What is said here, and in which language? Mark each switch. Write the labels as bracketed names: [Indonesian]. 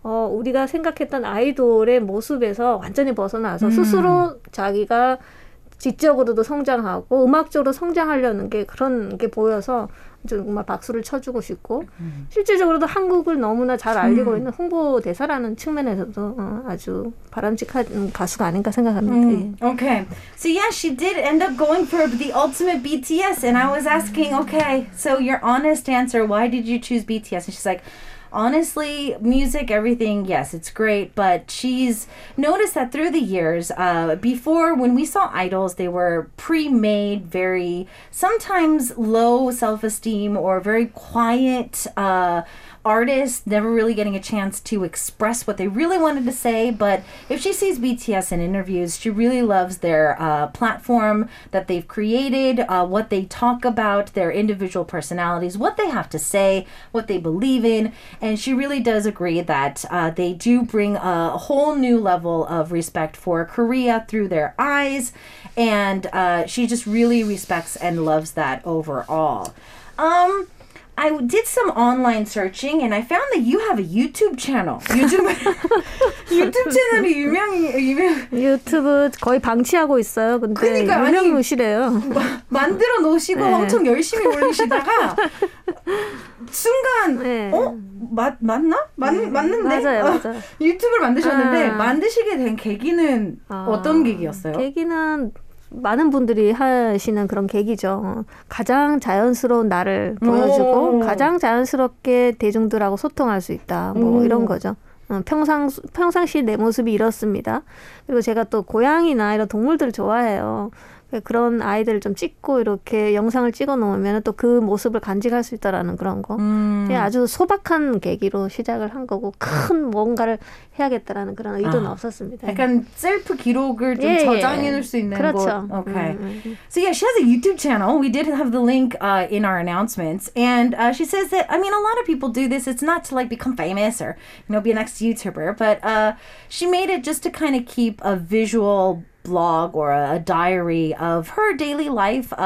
[Korean] 우리가 생각했던 아이돌의 모습에서 완전히 벗어나서 스스로 자기가 지적으로도 성장하고 음악적으로 성장하려는 게 그런 게 보여서 정말 박수를 쳐주고 싶고 실질적으로도 한국을 너무나 잘 알리고 있는 홍보대사라는 측면에서도 아주 바람직한 가수가 아닌가 생각합니다. [English] Okay. So yeah, she did end up going for the ultimate BTS. And I was asking, okay, so your honest answer, why did you choose BTS? And she's like, honestly, music, everything, yes, it's great. But she's noticed that through the years, before when we saw idols, they were pre-made, very sometimes low self-esteem or very quiet artists, never really getting a chance to express what they really wanted to say. But if she sees BTS in interviews, she really loves their platform that they've created, what they talk about, their individual personalities, what they have to say, what they believe in. And she really does agree that they do bring a whole new level of respect for Korea through their eyes. And she just really respects and loves that overall. I did some online searching and I found that you have a YouTube channel. [Korean] YouTube 채널이 유튜브 거의 방치하고 있어요. 근데 유명 무시래요. 만들어 놓으시고 네. 엄청 열심히 올리시다가 순간 네. 어? 맞나? 맞는데? 맞아요. 맞아. 유튜브를 만드셨는데 아. 만드시게 된 계기는 아. 어떤 계기였어요? 계기는 많은 분들이 하시는 그런 계기죠. 가장 자연스러운 나를 보여주고 가장 자연스럽게 대중들하고 소통할 수 있다. 뭐 이런 거죠. 평상시 내 모습이 이렇습니다. 그리고 제가 또 고양이나 이런 동물들 좋아해요. 그런 아이들을 좀 찍고 이렇게 영상을 찍어놓으면 또 그 모습을 간직할 수 있다라는 그런 거. 아주 소박한 계기로 시작을 한 거고 큰 뭔가를 해야겠다라는 그런 의도는 아, 없었습니다. 약간 셀프 기록을 좀 예, 저장해놓을 예. 수 있는 그렇죠. 곳. [English] Okay. So yeah, she has a YouTube channel. We did have the link in our announcements. And she says that, I mean, a lot of people do this. It's not to like become famous or, you know, be an next YouTuber. But she made it just to kind of keep a visual blog or a diary of her daily life.